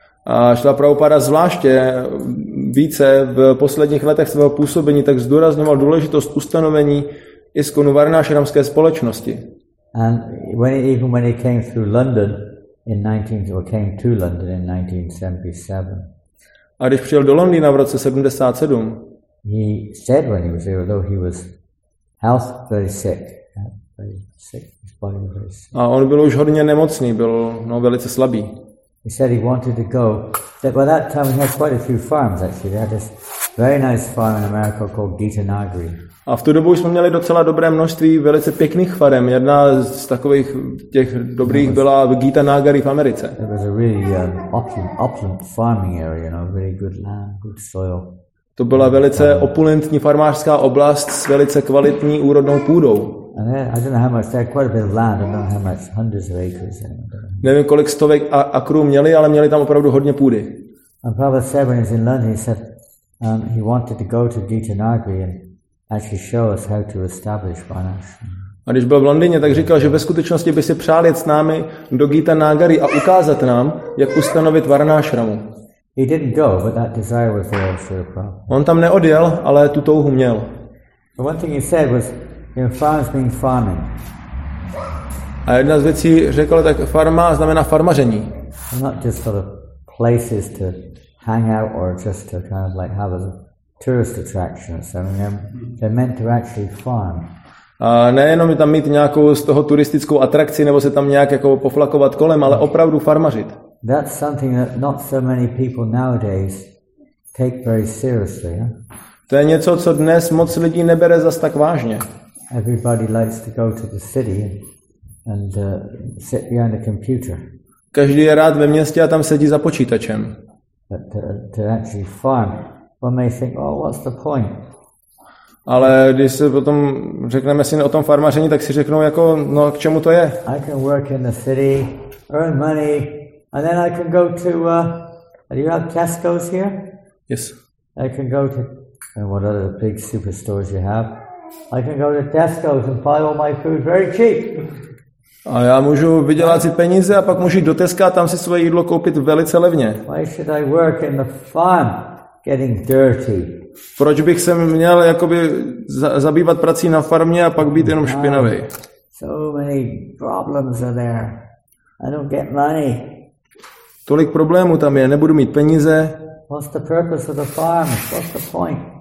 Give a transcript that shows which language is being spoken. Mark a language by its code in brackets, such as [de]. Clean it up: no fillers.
[cs] A Srila Prabhupada zvláště více v posledních letech svého působení tak zdůrazňoval důležitost ustanovení ISKCONu Varnášramské společnosti. [en] And when he came through London in 19 or came to London in 1977. [cs] A když přijel do Londýna v roce 77. [en] He said when he was there, although he was health very sick. Very sick, his body was very sick. [cs] A on byl už hodně nemocný, byl velice slabý. [en] He said he wanted to go. That by that time he had quite a few farms actually. They had this very nice farm in America called Geetanagari. [cs] A v tu dobu jsme měli docela dobré množství velice pěkných farem. Jedna z takových těch dobrých byla v Geetanagari v Americe. [en] It was a really opulent farming area, you know, really good land, good soil. [cs] To byla velice opulentní farmářská oblast s velice kvalitní úrodnou půdou. [en] I don't know how much, they had quite a bit of land, I don't know how much, hundreds of acres. [cs] Nevím, kolik stovek akrů měli, ale měli tam opravdu hodně půdy. [en] And Prabhupada said when he was in London, he said he wanted to go to Geetanagari and actually show us how to establish Varna Ashram. [cs] A když byl v Londýně, tak říkal, že ve skutečnosti by si přál jet s námi do Geetanagari a ukázat nám, jak ustanovit Varna Ashramu. [en] He didn't go, but that desire was there for Prabhupada. [cs] On tam neodjel, ale tu touhu měl. [en] But one thing he said was, you know, farms mean farming. [cs] A jedna z věcí řekl, tak farma znamená farmaření. [en] Not just sort of places to hang out or just to kind of like have a tourist attraction or something. They're meant to actually farm. [cs] A nejenom tam mít nějakou z toho turistickou atrakci nebo se tam nějak jako poflakovat kolem, ale opravdu farmařit. [en] That's something that not so many people nowadays take very seriously. Huh? [cs] To je něco, co dnes moc lidí nebere zas tak vážně. [en] Everybody likes to go to the city and sit behind a computer. [cs] Každý je rád ve městě a tam sedí za počítačem. [en] But to actually farm, one may think, oh, what's the point? [cs] Ale když se potom řekneme si o tom farmaření, tak si řeknou jako, no, k čemu to je? [en] I can work in the city, earn money, and then I can go to, do you have Tesco's here? Yes. I can go to, and what other big superstores you have? I can go to Tesco's and buy all my food very cheap. [cs] A já můžu vydělat si peníze a pak můžu jít do Teska a tam si svoje jídlo koupit velice levně. [en] Why should I work in the farm getting dirty? [cs] Proč bych se měl jakoby zabývat prací na farmě a pak být jenom špinavý? [en] So many problems are there. I don't get money. [cs] Tolik problémů tam je, nebudu mít peníze. [en] What's the purpose of the farm? What's the point?